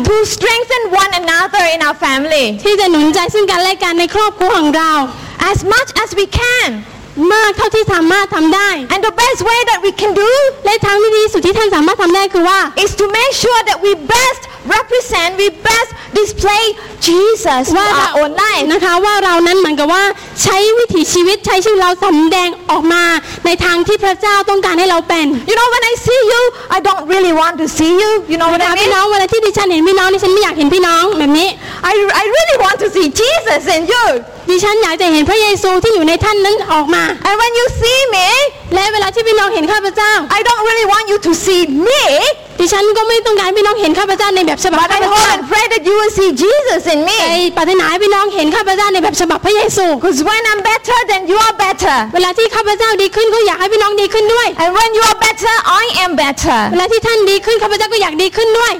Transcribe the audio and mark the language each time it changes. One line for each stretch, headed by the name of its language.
English: to strengthen one another in our family
Thai: ที่จะหนุนใจซึ่งกันและกันในครอบครัวของเรา
English: as much as we can
Thai: มากเท่าที่สามารถทำได้
English: And the best way that we can do
Thai: และทางที่ดีสุดที่ท่านสามารถทำได้คือว่า
English: is to make sure that we best represent we best display Jesus in our own life
Thai: นะคะว่าเรานั้นเหมือนกับว่าใช้วิถีชีวิตใช้ชื่อเราสำแดงออกมาในทางที่พระเจ้าต้องการให้เราเป็น
English: You know when I see you I don't really want to see you you know what I mean
Thai: พี่น้องเวลาที่ดิฉันเห็นพี่น้องดิฉันไม่อยากเห็นพี่น้องแบบนี้
English: I really want to see Jesus in you
Thai: ดิฉันอยากจะเห็นพระเยซูที่อยู่ในท่านนั้นออกมา
English: And when you see me
Thai: และเวลาที่พี่น้องเห็นข้าพเจ้า
English: I don't really want you to see me
Thai: ดิฉันก็ไม่ต้องการพี่น้องเห็นข้าพเจ้าในแบบฉบับข้าพเจ้า
English: But I hope and pray that you will see Jesus in me
Thai: ไปปฏิญญาให้พี่น้องเห็นข้าพเจ้าในแบบฉบับพระเยซู
English: Because when I'm better then you are better
Thai: เวลาที่ข้าพเจ้าดีขึ้นก็อยากให้พี่น้องดีขึ้นด้วย
English: And when you are better I am better
Thai: เวลาที่ท่านดีขึ้นข้าพเจ้าก็อยากดีขึ้นด้วย